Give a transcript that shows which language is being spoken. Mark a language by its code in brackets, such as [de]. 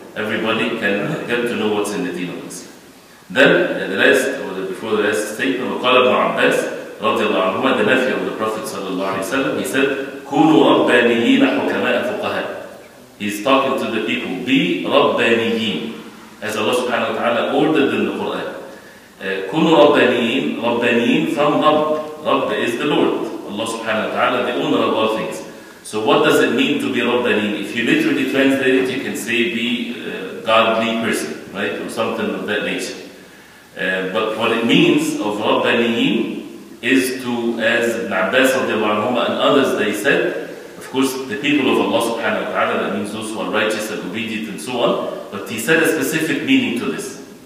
[en] Everybody can get to know what's in the deen of Islam. Then, the last, or the, before the last statement, [ar] وَقَالَ ابْنُ عَبَّاسٍ رَضِيَ اللَّهُ عَنْهُمَا, [en] the nephew of the Prophet ﷺ, he said, [ar] كُونُوا رَبَّانِيِّينَ حُكَمَاءَ فُقَهَاءَ. [en] He's talking to the people, be رَبَّانِيِّين, as Allah subhanahu wa ta'ala ordered in the Qur'an. [ar] كُونُوا رَبَّانِيِّين, رَبَّانِيِّين from رَبَّ. [en] رَبَّ is the Lord, Allah subhanahu wa ta'ala, the owner of all things. So what does it mean to be رَبَّانِيِّين? If you literally translate it, you can say be godly person, right? Or something of that nature. But what it means of رَبَّانِيِّين is to, as Ibn Abbas radiallahu anhu and others, they said, of course, the people of Allah subhanahu wa ta'ala, that means those who are righteous and obedient and so on, but he said a specific meaning to this.